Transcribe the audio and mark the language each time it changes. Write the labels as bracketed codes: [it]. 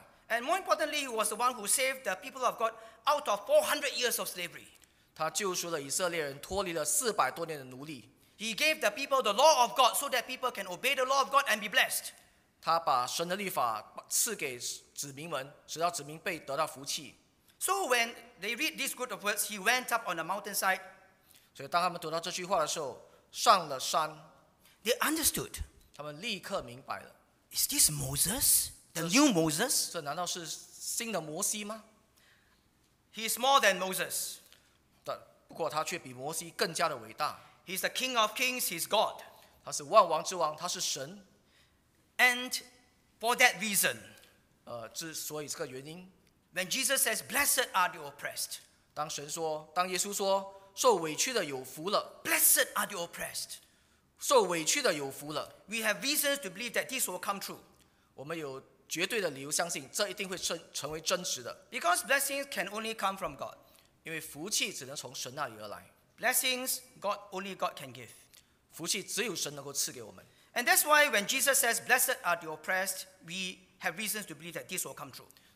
[en] And more importantly, he was the one who saved the people of God out of 400 years of slavery. [zh] 他救赎了以色列人脱离了400多年的奴隶。 [en] He gave the people the law of God so that people can obey the law of God and be blessed. [zh] 他把神的律法赐给子民们，使到子民被得到福气。 [en] So when they read these good words, he went up on the mountainside. [zh] 所以当他们读到这句话的时候，上了山。 [en] They understood. [zh] 他们立刻明白了。 [en] Is this Moses? The new Moses? [zh] 这难道是新的摩西吗？ [en] He is more than Moses. [zh] 不过他却比摩西更加的伟大。 [en] He is the King of Kings, he is God. [zh] 他是万王之王，他是神。 [en] And for that reason, [zh] 之所以这个原因， [en] when Jesus says, blessed are the oppressed, [zh] 当耶稣说受委屈的有福了， [en] blessed are the oppressed, [zh] 受委屈的有福了， [en] we have reasons to believe that this will come true. [zh] 我们有绝对的理由相信这一定会成为真实的。 [en] Because blessings can only come from God. [zh] 因为福气只能从神那里而来。 [en] Blessings God, only God can give. [zh] 福气只有神能够赐给我们。 [en] And that's why when Jesus says, blessed are the oppressed, we have reasons to believe that this will come true.